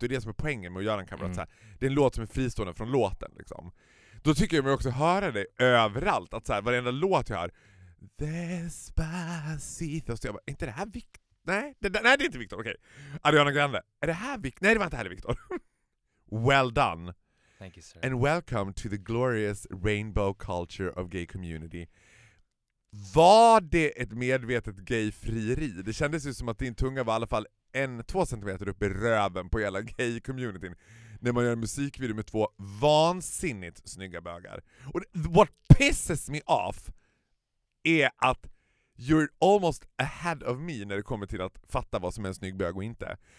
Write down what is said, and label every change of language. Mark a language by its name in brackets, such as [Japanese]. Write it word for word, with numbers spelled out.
[Swedish] Det är det som är poängen med att göra en cover. Mm. Att så här, det är en låt som är fristående från låten liksom. Då tycker jag mig också höra dig överallt. Att så här, varenda låt jag hör, Despacito. Så jag bara, är inte det här Victor? Nej, det, nej, det är inte Victor, okej. Okay. Ariana Grande. Är det här Victor? Nej, det var inte här Victor. [English] Well done. Thank you, sir. And welcome to the glorious rainbow culture of gay community. [Swedish] Var det ett medvetet gay-frieri? Det kändes ju som att din tunga var i alla fall en, två centimeter upp i röven på hela gay-communityn. När man gör en musikvideo med två vansinnigt snygga bögar. Och what pisses me off är att you're almost ahead of me när det kommer till att fatta vad som är en snygg bög och inte.